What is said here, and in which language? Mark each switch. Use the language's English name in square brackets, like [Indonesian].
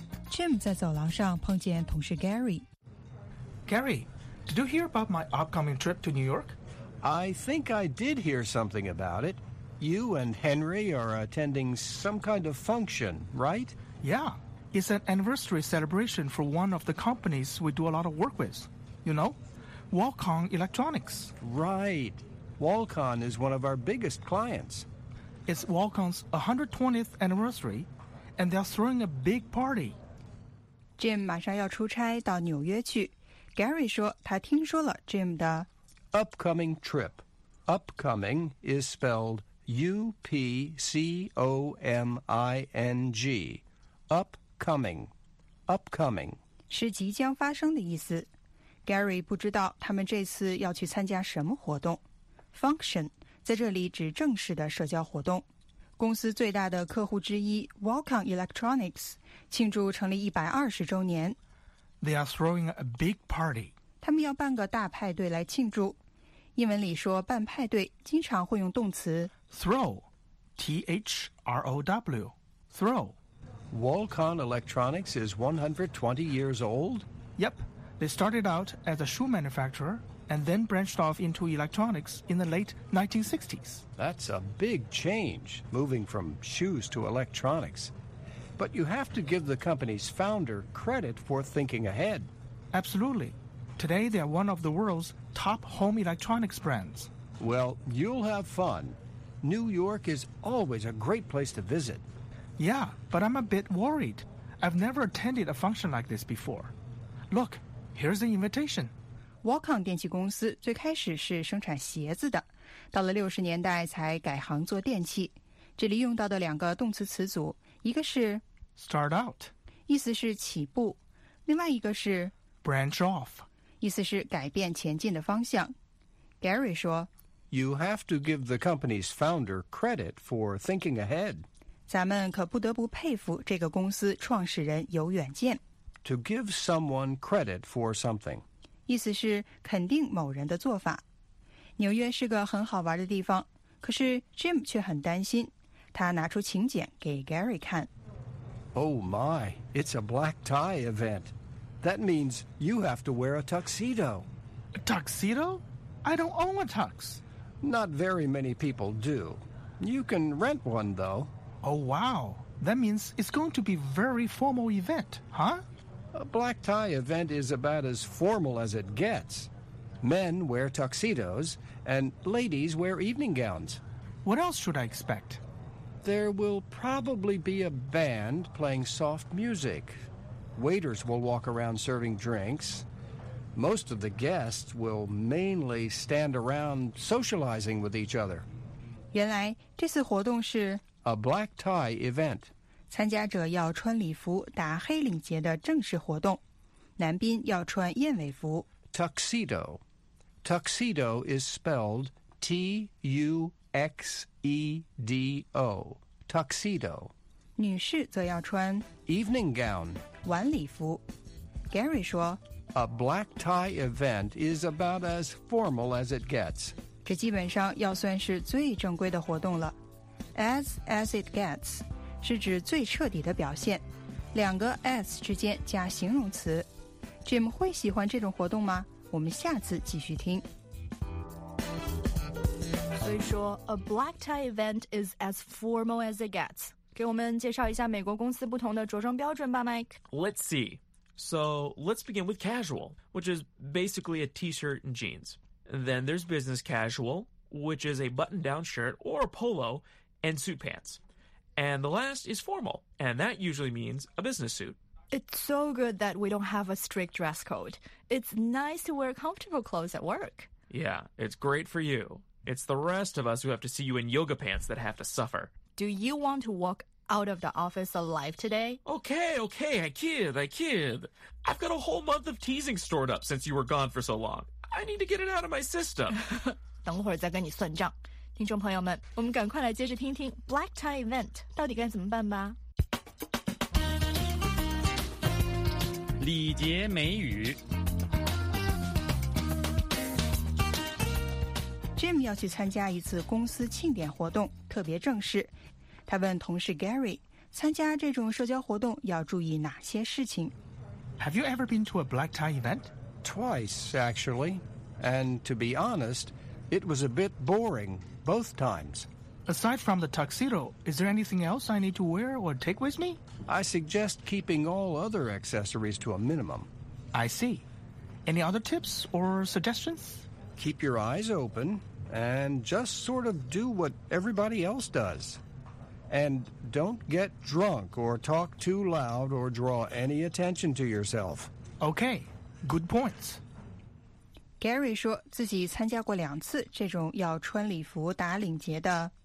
[Chinese] Jim 在走廊上碰见同事 Gary. [English] Gary, did you hear about my upcoming trip to New York? I think I did hear something about it. You and Henry are attending some kind of function, right? Yeah. It's an anniversary celebration for one of the companies we do a lot of work with. You know, Walcon Electronics. Right. Walcon is one of our biggest clients. It's Walcon's 120th anniversary, and they're throwing a big party. [Chinese] Jim 马上要出差到纽约去。Gary 说他听说了 Jim 的 [English] Upcoming trip. Upcoming is spelled U-P-C-O-M-I-N-G. Upcoming. Upcoming. [Chinese] 是即将发生的意思。 Gary 不知道他们这次要去参加什么活动。 Function 在这里指正式的社交活动。公司最大的客户之一 Walcon Electronics 庆祝成立120周年。 [English] They are throwing a big party. [Chinese] 他们要办个大派对来庆祝。英文里说办派对经常会用动词 [English] throw, T-H-R-O-W, throw. Walcon Electronics is 120 years old? Yep. They started out as a shoe manufacturer and then branched off into electronics in the late 1960s. That's a big change, moving from shoes to electronics. But you have to give the company's founder credit for thinking ahead. Absolutely. Today, they are one of the world's top home electronics brands. Well, you'll have fun. New York is always a great place to visit. Yeah, but I'm a bit worried. I've never attended a function like this before. Look, here's the invitation. [Chinese] Walcon 电器公司最开始是生产鞋子的，到了60年代才改行做电器。这里用到的两个动词词组，一个是 [English] start out， [Chinese] 意思是起步，另外一个是 [English] branch off， [Chinese] 意思是改变前进的方向。 Gary 说， [English] You have to give the company's founder credit for thinking ahead. [Chinese] 咱们可不得不佩服这个公司创始人有远见。 [English] To give someone credit for something. [Chinese] 意思是肯定某人的做法。纽约是个很好玩的地方，可是 Jim 却很担心。他拿出请柬给 Gary 看。 [English] Oh my, it's a black tie event. That means you have to wear a tuxedo. A tuxedo? I don't own a tux. Not very many people do. You can rent one, though. Oh, wow. That means it's going to be a very formal event, huh? A black tie event is about as formal as it gets. Men wear tuxedos, and ladies wear evening gowns. What else should I expect? There will probably be a band playing soft music. Waiters will walk around serving drinks. Most of the guests will mainly stand around socializing with each other. [Chinese] 原来这次活动是 [English] a black tie event. [Chinese] 参加者要穿礼服打黑领结的正式活动，男宾要穿燕尾服。 [English] Tuxedo. Tuxedo is spelled T-U-X-E-D-O. Tuxedo. [Chinese] 女士则要穿 [English] evening gown. [Chinese] 晚礼服。Gary 说 [English] A black tie event is about as formal as it gets. [Chinese] 这基本上要算是最正规的活动了。 [English] As it gets [Chinese] 是指最彻底的表现，两个 as 之间加形容词。 Jim 会喜欢这种活动吗？我们下次继续听。所以说 [English] ，a black tie event is as formal as it gets. [Chinese] 给我们介绍一下美国公司不同的着装标准吧 ，Mike. [English] Let's see. So let's begin with casual, which is basically a t-shirt and jeans. And then there's business casual, which is a button-down shirt or a polo and suit pants. And the last is formal, and that usually means a business suit. It's so good that we don't have a strict dress code. It's nice to wear comfortable clothes at work. Yeah, it's great for you. It's the rest of us who have to see you in yoga pants that have to suffer. Do you want to walk out of the office alive today? Okay, I kid. I've got a whole month of teasing stored up since you were gone for so long. I need to get it out of my system. [Chinese] 等会儿再跟你算账。听众朋友们，我们赶快来接着听听 Black Tie Event 到底该怎么办吧。礼节美语。 Jim 要去参加一次公司庆典活动，特别正式。他问同事 Gary, 参加这种社交活动要注意哪些事情? [English] Have you ever been to a black tie event? Twice, actually. And to be honest, it was a bit boring both times. Aside from the tuxedo, is there anything else I need to wear or take with me? I suggest keeping all other accessories to a minimum. I see. Any other tips or suggestions? Keep your eyes open and just sort of do what everybody else does. And don't get drunk or talk too loud or draw any attention to yourself. Okay, good points. [Chinese] Gary 说自己参加过两次这种要穿礼服打领结的